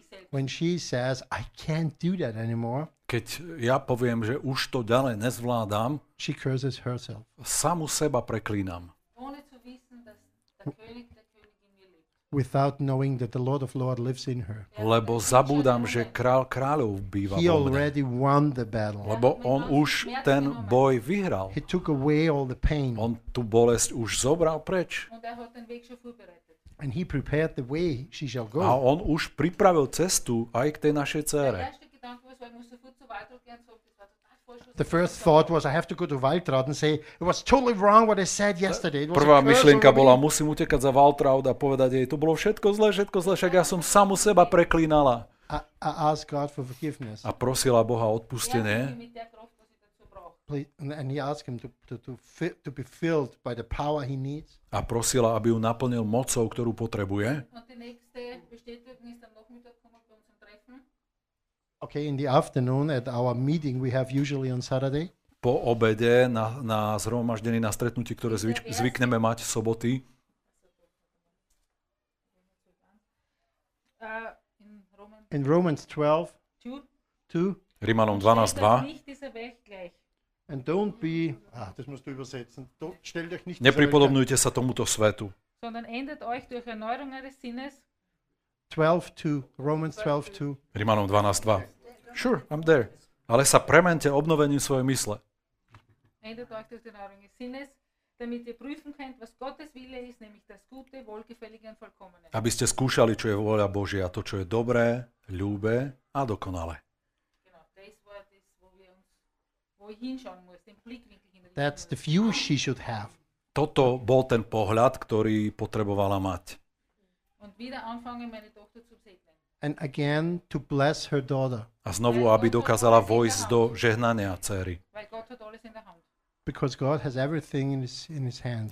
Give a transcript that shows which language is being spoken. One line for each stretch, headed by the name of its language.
English: When she says I can't do that anymore.
Slovak: Keď ja poviem, že už to ďalej nezvládam,
English: she curses herself.
Slovak: Samu seba preklínam.
English: Without knowing that the Lord of Lords lives in her.
Slovak: Lebo zabúdam, že král kráľov býva vo mne.
English: He already won the battle.
Slovak: Lebo on už ten boj vyhral.
English: He took away all the pain.
Slovak: On tú bolesť už zobral preč.
English: And he prepared the way she shall go.
Slovak: A on už pripravil cestu aj k tej našej dcére.
English: The first thought was, I have to go to Waltraud and say, it was totally wrong what I said yesterday. It was
Slovak: prvá myšlienka bola, musím utekať za Waltraud a povedať jej, to bolo všetko zlé, však ja som samu seba preklínala.
English: I ask God for forgiveness.
Slovak: A prosila Boha o odpustenie.
English: And he asked him to be filled by the power he needs.
Slovak: A prosila, aby ju naplnil mocou, ktorú potrebuje.
English: Okay, in the afternoon at our meeting we have usually on Saturday.
Slovak: Po obede na zhromaždení na stretnutí, ktoré zvykneme mať v soboty.
English: In Romans 12:2.
Slovak: Rímanom 12:2.
English: And don't be,
German: das musst du übersetzen. Stellt euch nicht.
Slovak: Nepripodobňujte sa tomuto svetu.
German: Sondern ändert euch durch Erneuerung eures Sinnes.
English: 12:2. Romans 12:2.
Slovak: Rímanom 12:2.
English: Sure, I'm there.
Slovak: Ale sa premente obnovením svojej mysle.
German: Ändert euch durch Erneuerung eures Sinnes, damit ihr prüfen könnt, was Gottes Wille ist, nämlich das Gute, Wohlgefällige und Vollkommene.
Slovak: Aby ste skúšali, čo je vôľa Božia, to, čo je dobré, ľúbe a dokonalé.
English: That's the view she should have.
Slovak: Toto bol ten pohľad, ktorý potrebovala mať.
German: Und wieder anfangen, meine Tochter zu segnen.
English: And again to bless her daughter.
Slovak: A znovu, aby dokázala vojsť do žehnania céry.
English: Because God has everything in his hands.